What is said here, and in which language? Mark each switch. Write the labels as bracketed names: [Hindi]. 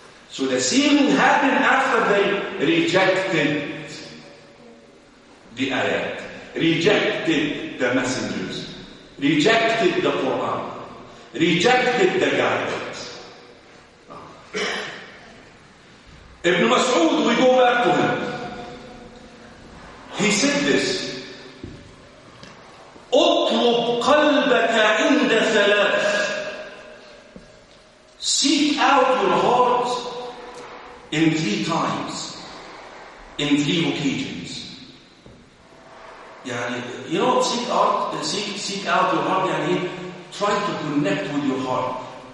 [English] So the sealing happened after they rejected the ayat, rejected the messengers, rejected the Quran, rejected the guidance. Ibn Mas'ud, we go back to him. He said this, [Arabic] اطلب قلبك عند ثلاث. [English] Seek out your heart in three times, in three occasions. Yani, you know, seek out your heart, yani, try to connect with your heart.